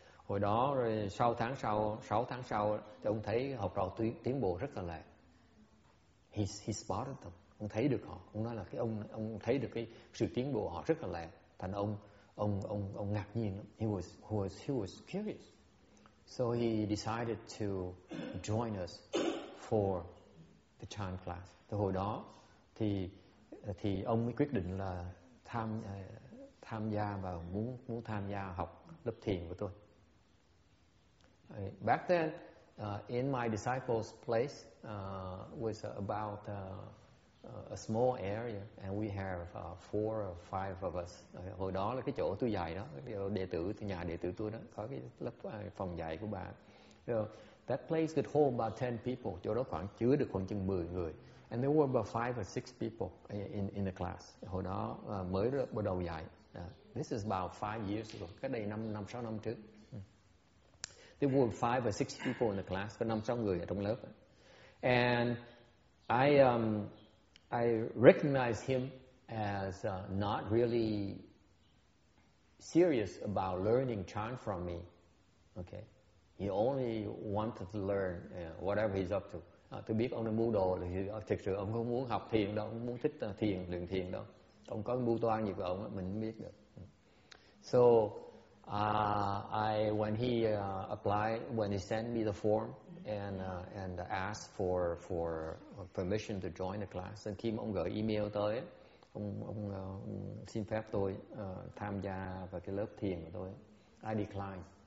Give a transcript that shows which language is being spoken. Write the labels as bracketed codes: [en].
[vi] Hồi đó rồi sáu tháng sau thì ông thấy học trò tiến bộ rất là lẹ. [en] He spotted them. [vi] Ông thấy được họ. Ông nói là cái ông thấy được cái sự tiến bộ họ rất là lẹ. Thành ông ngạc nhiên lắm. [en] He was curious. So he decided to join us for the chant class. [vi] Thì hồi đó thì ông mới quyết định là tham gia và muốn tham gia học lớp thiền của tôi. [en] Back then, in my disciples' place was about a small area, and we have four or five of us. [vi] Hồi đó là cái chỗ tôi dạy đó, đệ tử nhà đệ tử tôi đó có cái lớp phòng dạy của bà. [en] So that place could hold about 10 people. [vi] Chỗ đó khoảng chứa được khoảng chừng 10 người. [en] And there were about 5 or 6 people in the class. [vi] Hồi đó mới bắt đầu dạy. [en] This is about 5 years ago. [vi] Cách đây 5, 6 năm trước. [en] There were 5 or 6 people in the class, [vi] có 5-6 người ở trong lớp. [en] And I recognized him as not really serious about learning chant from me. Okay, he only wanted to learn whatever he's up to. [vi] Tôi biết ông là mưu đồ, thì thực sự ông không muốn học thiền đâu, không muốn thích thiền, luyện thiền đâu. Ông có mưu toan gì của ông, mình không biết được. [en] So when he sent me the form and asked for permission to join the class, and [vi] khi mà ông gửi email tới, ông xin phép tôi tham gia vào cái lớp thiền của tôi, [en] I declined.